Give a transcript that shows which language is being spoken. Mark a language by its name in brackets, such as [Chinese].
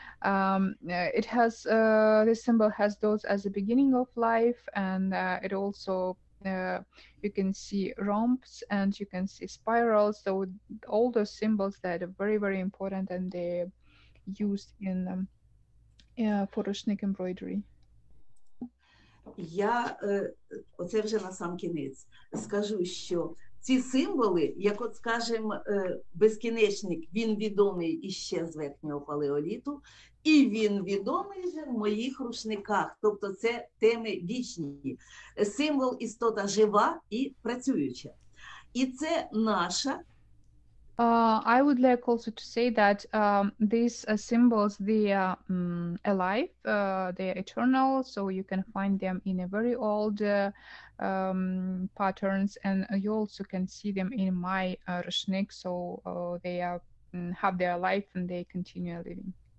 [English] It has this symbol has dots as the beginning of life, and it also. You can see rhombs and you can see spirals, so all those symbols that are very, very important and they're used in for rushnik embroidery. [Ukrainian] Я оце вже на сам кінець скажу, що ці символи, як от скажемо, безкінечник, він відомий іще з верхнього палеоліту, і він відомий вже в моїх рушниках, тобто це теми вічні. Символ істота жива і працююча. І це наша [English] I would like also to say that these symbols, they are alive, they are eternal, so you can find them in a very old patterns, and you also can see them in my Rushnik, so they are, have their life and they continue living.